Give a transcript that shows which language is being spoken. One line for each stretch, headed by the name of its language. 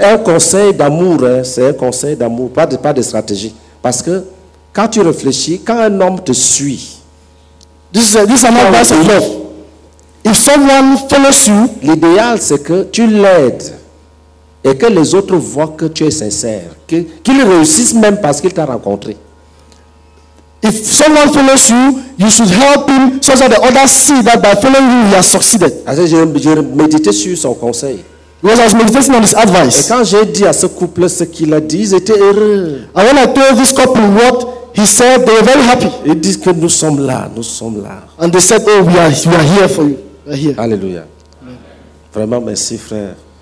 French: Un conseil d'amour, hein, c'est un conseil d'amour, pas de stratégie, parce que quand tu réfléchis, quand un homme te suit,
English: this is an advice of love. If someone follows you,
French: l'idéal c'est que tu l'aides et que les autres voient que tu es sincère, qu'il réussisse même parce qu'il t'a rencontré.
English: If someone follows you, you should help him so that the others see that by following you, he has succeeded.
French: J'ai médité sur son conseil.
English: Because I was meditating on his advice.
French: Et quand j'ai dit à ce couple ce qu'il a dit, ils étaient heureux.
English: And when I told this couple what he said, they were very happy.
French: Ils disent que nous sommes là, nous sommes là.
English: And they said, oh, we are here for you. We are here.
French: Alléluia. Vraiment, merci, frère.